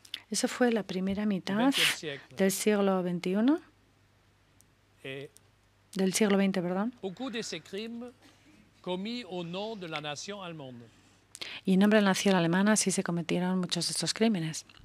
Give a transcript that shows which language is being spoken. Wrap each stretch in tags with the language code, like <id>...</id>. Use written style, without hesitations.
<es>Eso fue la primera mitad del siglo XXI. Del siglo XX, perdón.</es> <fr>Beaucoup de ces crimes commis au nom de la nation allemande.</fr> <es>Y en nombre de la nación alemana sí se cometieron muchos de estos crímenes.</es>